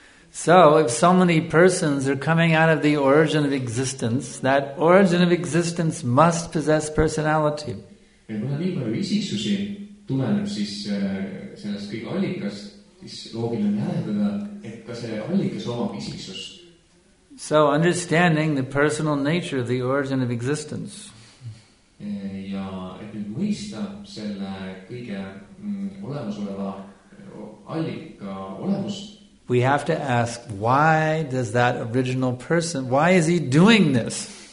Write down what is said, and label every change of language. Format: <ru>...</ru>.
<en>So, if so many persons are coming out of the origin of existence, that origin of existence must possess personality. So, understanding the personal nature of the origin of existence.</en> <et>Ja et nüüd mõista selle kõige olemasoleva allika olemust.</et> <en>We have to ask, why does that original person, why is he doing this?</en>